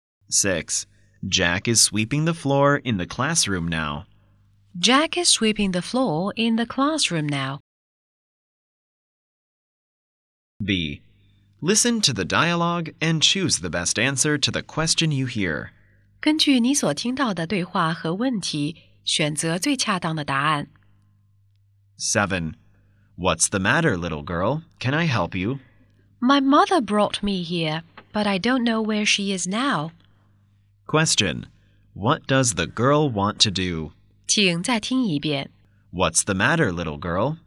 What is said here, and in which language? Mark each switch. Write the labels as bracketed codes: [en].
[en] 6. Jack is sweeping the floor in the classroom now. Jack is sweeping the floor in the classroom now. B. Listen to the dialogue and choose the best answer to the question you hear. [zh] 根据你所听到的对话和问题，选择最恰当的答案。 [en] 7. What's the matter, little girl? Can I help you? My mother brought me here, but I don't know where she is now. Question. What does the girl want to do? [zh] 请再听一遍。 [en] What's the matter, little girl?